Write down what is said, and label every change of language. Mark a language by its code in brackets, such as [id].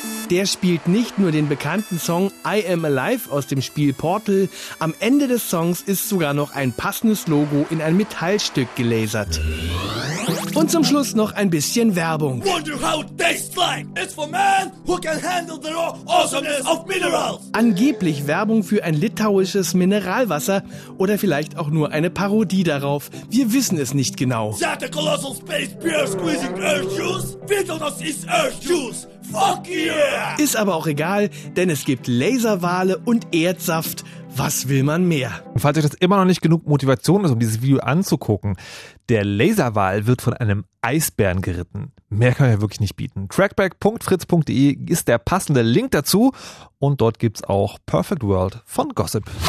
[de] Der spielt nicht nur den bekannten Song I Am Alive aus dem Spiel Portal, am Ende des Songs ist sogar noch ein passendes Logo in ein Metallstück gelasert. Und zum Schluss noch ein bisschen Werbung. [en] Wonder how it tastes like. It's for man who can handle the raw awesomeness of minerals. [de] Angeblich Werbung für ein litauisches Mineralwasser oder vielleicht auch nur eine Parodie darauf. Wir wissen es nicht genau. [en] That the colossal space beer squeezing earth juice. Vitalness is earth juice. Fuck yeah. [de] Ist aber auch egal, denn es gibt Laserwale und Erdsaft. Was will man mehr? Und falls euch das immer noch nicht genug Motivation ist, um dieses Video anzugucken, der Laserwal wird von einem Eisbären geritten. Mehr kann man ja wirklich nicht bieten. Trackback.fritz.de ist der passende Link dazu und dort gibt's auch Perfect World von Gossip.